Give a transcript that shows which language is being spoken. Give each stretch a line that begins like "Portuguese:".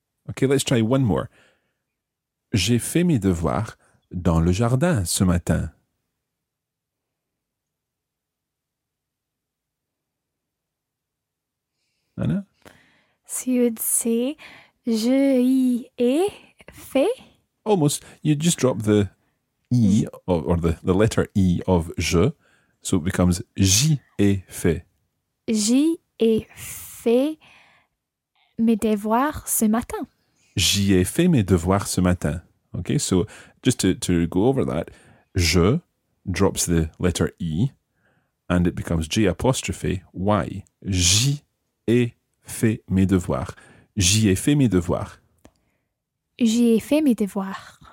English: Okay, let's try one more.
French: J'ai fait mes devoirs dans le jardin ce matin.
English: Anna? So you would say,
French: je y ai fait?
English: Almost. You just drop the I or the letter I of je, so it becomes
French: j'y ai fait. J'y ai fait mes devoirs ce matin. J'y ai fait mes devoirs ce matin.
English: Okay, so just to go over that, je drops the letter I and it becomes j' apostrophe y.
French: J'y ai fait mes devoirs. J'y ai fait mes devoirs. J'y ai fait mes devoirs.